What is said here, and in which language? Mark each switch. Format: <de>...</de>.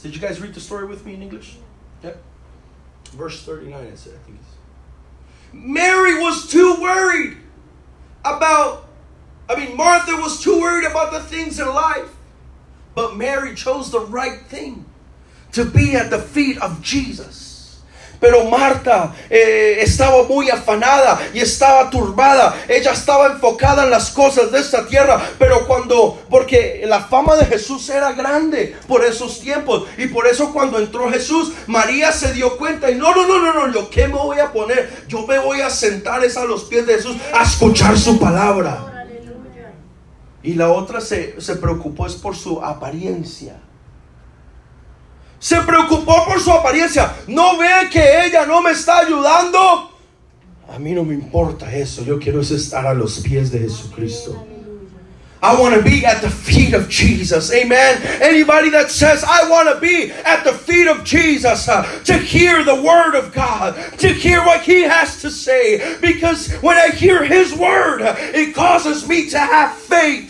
<en>Did you guys read the story with me in English? Yep. Verse 39, I said, I think it's. Mary was too worried about, Martha was too worried about the things in life. But Mary chose the right thing, to be at the feet of Jesus.</en> <es>Pero Marta estaba muy afanada y estaba turbada. Ella estaba enfocada en las cosas de esta tierra. Pero cuando, porque la fama de Jesús era grande por esos tiempos. Y por eso cuando entró Jesús, María se dio cuenta. Y no. ¿Yo qué me voy a poner? Yo me voy a sentar a los pies de Jesús a escuchar su palabra. Y la otra se preocupó es por su apariencia. Se preocupó por su apariencia. ¿No ve que ella no me está ayudando? A mí no me importa eso. Yo quiero es estar a los pies de Jesucristo.</es> <en>I want to be at the feet of Jesus. Amen. Anybody that says, I want to be at the feet of Jesus to hear the word of God, to hear what he has to say. Because when I hear his word, it causes me to have faith.</en>